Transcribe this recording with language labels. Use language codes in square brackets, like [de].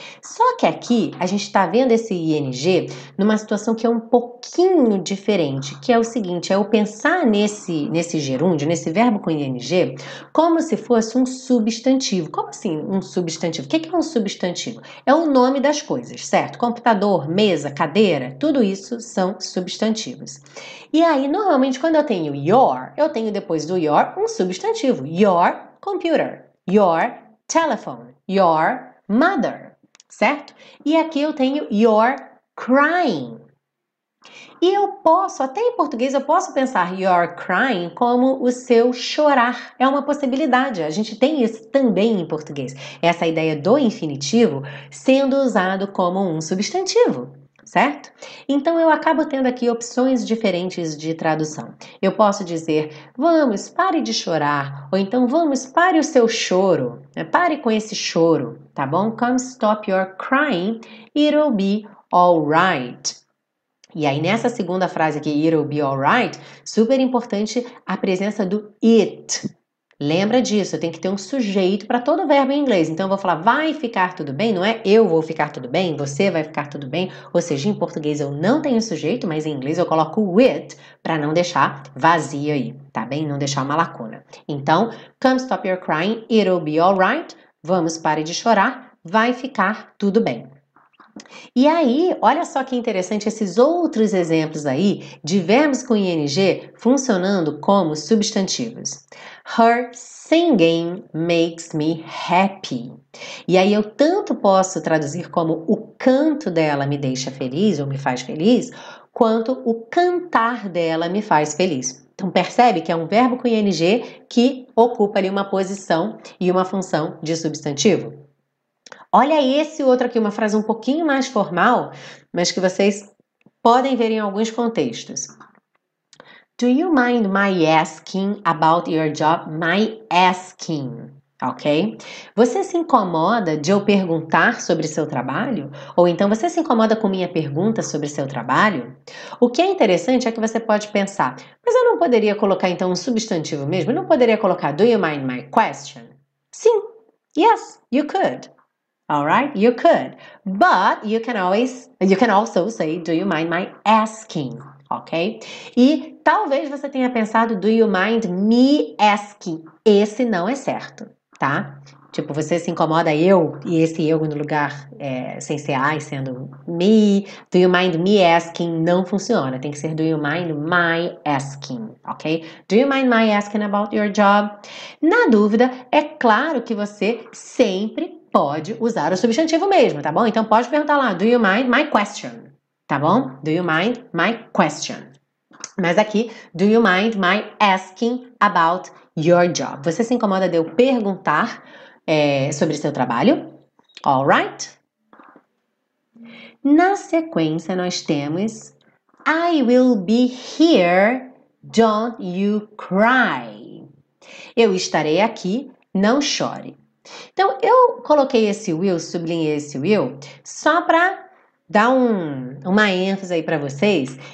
[pt] Só que aqui, a gente está vendo esse ing numa situação que é um pouquinho diferente, que é o seguinte, é eu pensar nesse gerúndio, nesse verbo com ing, como se fosse um substantivo. Como assim um substantivo? O que é um substantivo? É o nome das coisas, certo? Computador, mesa, cadeira, tudo isso são substantivos. E aí, normalmente, quando eu tenho your, eu tenho depois do your um substantivo. [en] Your computer, your telephone, your mother. [pt] Certo? E aqui eu tenho [en] you're crying. [pt] E eu posso, até em português, eu posso pensar [en] you're crying [pt] como o seu chorar. É uma possibilidade. A gente tem isso também em português. Essa ideia do infinitivo sendo usado como um substantivo. Certo? Então eu acabo tendo aqui opções diferentes de tradução. Eu posso dizer, vamos, pare de chorar. Ou então, vamos, pare o seu choro. Né? Pare com esse choro, tá bom? [en] Come stop your crying, it'll be alright. [pt] E aí nessa segunda frase aqui, [en] it'll be alright, [pt] super importante a presença do it. Lembra disso, tem que ter um sujeito para todo verbo em inglês. Então, eu vou falar vai ficar tudo bem, não é eu vou ficar tudo bem, você vai ficar tudo bem. Ou seja, em português eu não tenho sujeito, mas em inglês eu coloco o it para não deixar vazio aí, tá bem? Não deixar uma lacuna. [en] Então, come stop your crying, it'll be alright. [pt] Vamos, pare de chorar, vai ficar tudo bem. E aí, olha só que interessante esses outros exemplos aí de verbos com ing funcionando como substantivos. [en] Her singing makes me happy. [pt] E aí eu tanto posso traduzir como o canto dela me deixa feliz ou me faz feliz, quanto o cantar dela me faz feliz. Então percebe que é um verbo com ing que ocupa ali uma posição e uma função de substantivo. Olha esse outro aqui, uma frase um pouquinho mais formal, mas que vocês podem ver em alguns contextos. [en] Do you mind my asking about your job? My asking, ok? [pt] Você se incomoda de eu perguntar sobre seu trabalho? Ou então você se incomoda com minha pergunta sobre seu trabalho? O que é interessante é que você pode pensar, mas eu não poderia colocar então um substantivo mesmo? Eu não poderia colocar [en] do you mind my question? Sim, yes, you could. All right, you could, but you can also say, do you mind my asking, okay? [pt] E talvez você tenha pensado, [en] do you mind me asking? [pt] Esse não é certo, tá? Tipo, você se incomoda eu e esse eu no lugar sem ser I, sendo me. [en] Do you mind me asking? [pt] Não funciona. Tem que ser [en] do you mind my asking, ok? Do you mind my asking about your job? [pt] Na dúvida, é claro que você sempre pode usar o substantivo mesmo, tá bom? Então pode perguntar lá, [en] do you mind my question? [pt] Tá bom? [en] Do you mind my question? [pt] Mas aqui, [en] do you mind my asking about your job? [pt] Você se incomoda de eu perguntar sobre seu trabalho? [en] All right? [pt] Na sequência, nós temos [en] I will be here, don't you cry. [pt] Eu estarei aqui, não chore. Então, eu coloquei esse will, sublinhei esse will, só para dar uma ênfase aí para vocês.